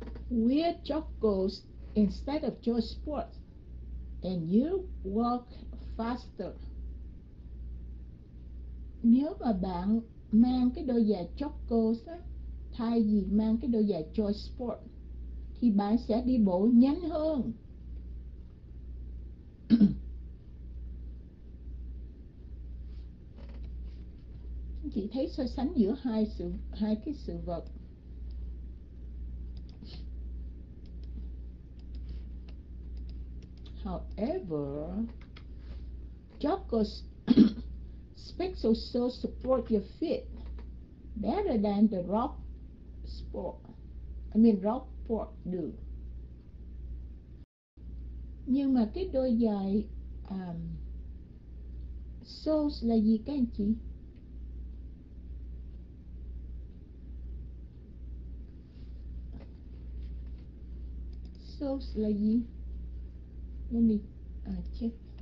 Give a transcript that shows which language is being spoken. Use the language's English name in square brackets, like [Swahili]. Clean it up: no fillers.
[English] Wear chocos instead of your sports and you walk faster. [Vietnamese] Nếu mà bạn mang cái đôi giày chocos thay vì mang cái đôi giày cho sport thì bạn sẽ đi bộ nhanh hơn. Chị thấy so sánh giữa hai cái sự vật. [English] However, chocos specs also support your feet better than the rock port do. [Vietnamese] Nhưng mà cái đôi giày soles là gì các anh chị? Soles là gì? [English] Let me check.